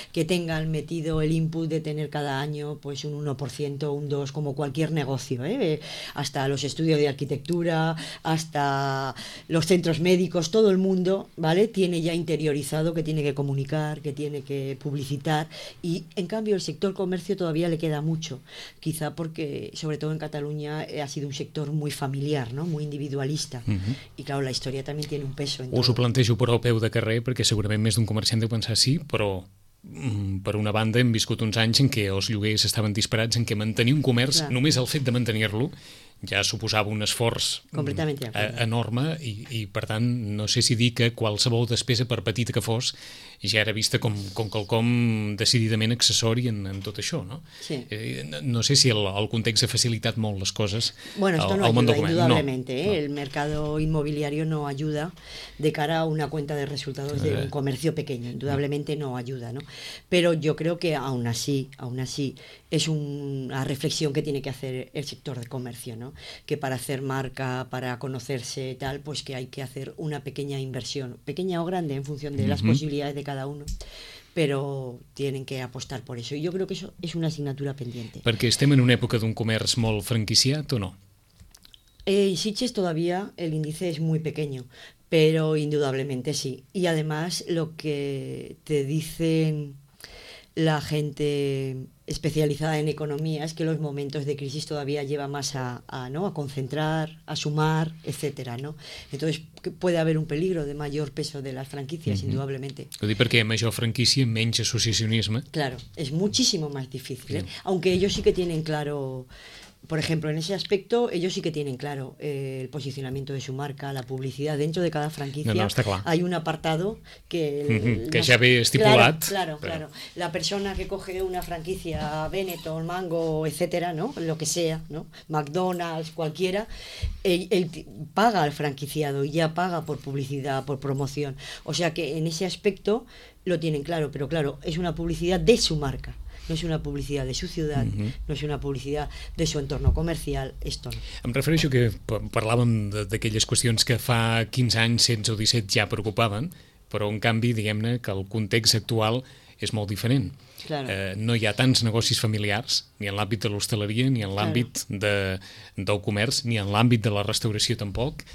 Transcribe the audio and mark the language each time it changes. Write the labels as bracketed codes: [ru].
[es] Que tengan metido el input de tener cada año pues un 1%, un 2%, como cualquier negocio, hasta los estudios de arquitectura, hasta los centros médicos, todo el mundo, ¿vale?, tiene ya interiorizado que tiene que comunicar, que tiene que publicitar, y en cambio el sector comercio todavía le queda mucho, quizá porque sobre todo en Cataluña ha sido un sector muy familiar, ¿no?, muy individualista. Y claro, la historia también tiene un peso. [ca] Us ho plantejo però al peu de carrer, perquè segurament més d'un comerciant deu pensar sí, però per una banda hem viscut uns anys en què els lloguers estaven disparats, en què mantenir un comerç, només el fet de mantenir-lo, ja suposava un esforç enorme, i per tant no sé si dir que qualsevol despesa, per petita que fos, ja era vista com quelcom decididament accessori en tot això, no? Sí. No sé si el context ha facilitat molt les coses. [es] Bueno, esto no ayuda, indudablemente. No. El mercado inmobiliario no ayuda de cara a una cuenta de resultados de un comercio pequeño. Indudablemente no ayuda, ¿no? Pero yo creo que aún así es una reflexión que tiene que hacer el sector de comercio, ¿no? Que para hacer marca, para conocerse tal, pues que hay que hacer una pequeña inversión, pequeña o grande, en función de las posibilidades de cada uno, però tienen que apostar por eso. Yo creo que eso es una asignatura pendiente. [ca] Perquè estem en una època d'un comerç molt franquiciat o no? [es] En Sitges todavía el índice es muy pequeño, pero indudablemente sí. Y además lo que te dicen la gente especializada en economía es que los momentos de crisis todavía lleva más a concentrar, a sumar, etcétera, ¿no? Entonces puede haber un peligro de mayor peso de las franquicias, uh-huh. indudablemente. [ca] Vull dir, perquè hi ha major franquícia, menys associacionisme. [es] Claro, es muchísimo más difícil, ¿eh? Aunque ellos sí que tienen claro... Por ejemplo, en ese aspecto, ellos sí que tienen claro el posicionamiento de su marca, la publicidad dentro de cada franquicia. No, está claro. Hay un apartado que... que ya ve estipulado. Claro, claro, pero... claro. La persona que coge una franquicia, Benetton, Mango, etcétera, ¿no? Lo que sea, ¿no? McDonald's, cualquiera, él paga al franquiciado y ya paga por publicidad, por promoción. O sea que en ese aspecto lo tienen claro, pero claro, es una publicidad de su marca. [ca] No és una publicitat de su ciutat, no és una publicitat de su entorn comercial, [es] esto no. [ca] Em refereixo que parlàvem d'aquelles qüestions que fa 15 anys, 16 o 17 ja preocupaven, però en canvi, diguem-ne, que el context actual és molt diferent. [es] Claro. [ca] No hi ha tants negocis familiars, ni en l'àmbit de l'hostaleria, ni en l'àmbit del comerç, ni en l'àmbit de la restauració tampoc.